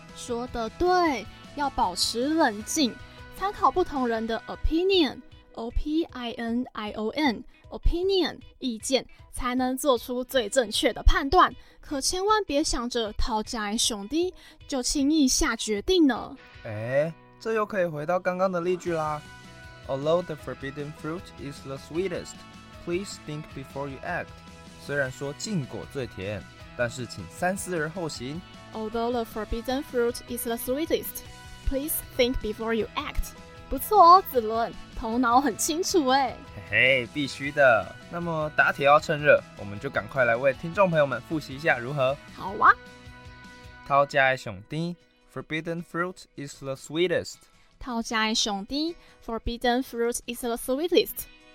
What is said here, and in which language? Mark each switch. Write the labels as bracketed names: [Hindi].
[Chinese] 说得对，要保持冷静，参考不同人的 opinion， opinion， opinion， 意见，才能做出最正确的判断。可千万别想着讨价还价就轻易下决定呢。哎，这又可以回到刚刚的例句啦。 [English] Although the forbidden fruit is the sweetest, please think before you act. [Chinese] 虽然说禁果最甜，但是请三思而后行。 [English] Although the forbidden fruit is the sweetest, please think before you act. [Chinese] 不错哦，子伦，头脑很清楚耶。嘿嘿，必须的。那么打铁要趁热，我们就赶快来为听众朋友们复习一下如何。好啊。偷食的上甜， [English] forbidden fruit is the sweetest. [Chinese] 偷食的上甜 [English] ，Forbidden fruit is the sweetest.